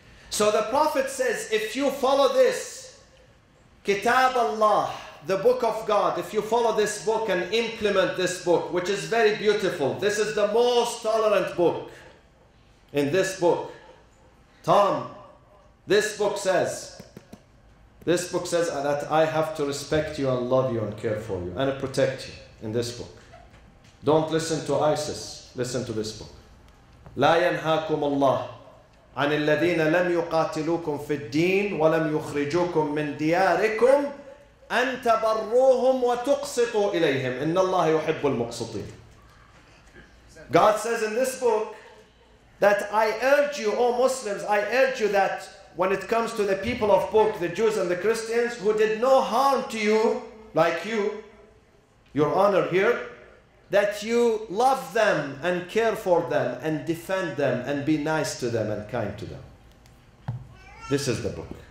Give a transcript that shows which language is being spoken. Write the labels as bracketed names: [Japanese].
[English] So the Prophet says, if you follow this, Kitab Allah, the book of God, if you follow this book and implement this book, which is very beautiful, this is the most tolerant book in this book. Tom, this book says that I have to respect you and love you and care for you and protect you in this book. Don't listen to ISIS, listen to this book. [Arabic] لا ينهاكم الله عن الذين لم يقاتلوكم في الدين ولم يخرجوكم من دياركم أن تبروهم وتقسطوا إليهم إن الله يحب المقسطين. [English] God says in this book that I urge you, O Muslims, I urge you that when it comes to the people of book, the Jews and the Christians who did no harm to you, like you, your honor here, that you love them and care for them and defend them and be nice to them and kind to them. This is the book.